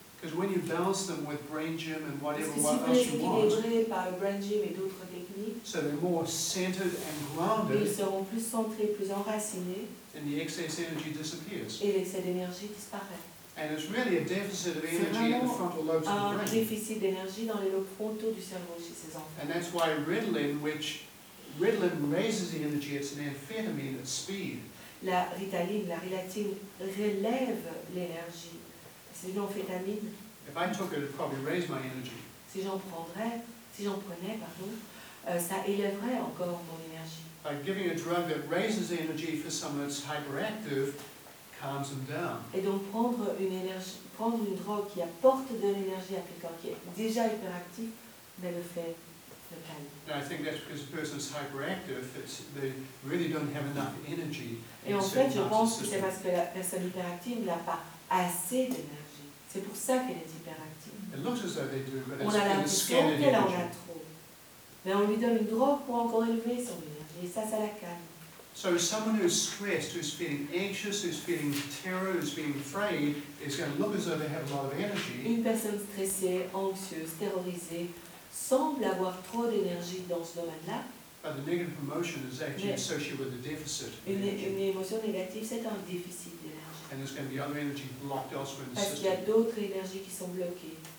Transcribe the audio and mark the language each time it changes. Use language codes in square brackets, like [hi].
[en] Because when you balance them with brain gym and whatever what [fr] si [en] else you want, [fr] par brain gym et d'autres techniques, [en] so they're more centered and grounded, [fr] ils seront plus centrés, plus enracinés, [en] and the excess energy disappears. [fr] Et l'excès d'énergie disparaît. [en] And it's really a deficit of energy in the frontal lobes of the brain. [fr] Un déficit d'énergie dans les lobes frontaux du cerveau chez ces enfants. [en] And that's why Ritalin raises the energy, it's an amphetamine at speed. [fr] La Ritaline, la Rilatine, relève l'énergie. C'est une amphétamine. [en] If I took it, it'd probably raise my energy. [fr] Si j'en prenais, ça élèverait encore mon énergie. [en] By giving a drug that raises energy for someone that's hyperactive, calms them down. [fr] Et donc prendre une drogue qui apporte de l'énergie à quelqu'un qui est déjà hyperactif, mais le fait le calme. [en] And I think that's because a person is hyperactive, they really don't have enough energy. [fr] Et en fait, je pense que c'est parce que la personne hyperactive n'a pas assez d'énergie. C'est pour ça qu'elle est hyperactive. [en] It looks as though they do, but [fr] on a l'impression qu'elle en a trop. Mais on lui donne une drogue pour encore élever son énergie. Et ça la calme. [en] So someone who's stressed, who's feeling anxious, who's feeling terror, who's being afraid, is going to look as though they have a lot of energy. [fr] Une personne stressée, anxieuse, terrorisée semble avoir trop d'énergie dans ce domaine-là. [en] But the negative emotion is actually associated with a deficit. [fr] Une émotion négative, c'est un déficit. [en] And there's going to be other energy blocked elsewhere in the system. [fr] Il y a d'autres énergies qui sont bloquées.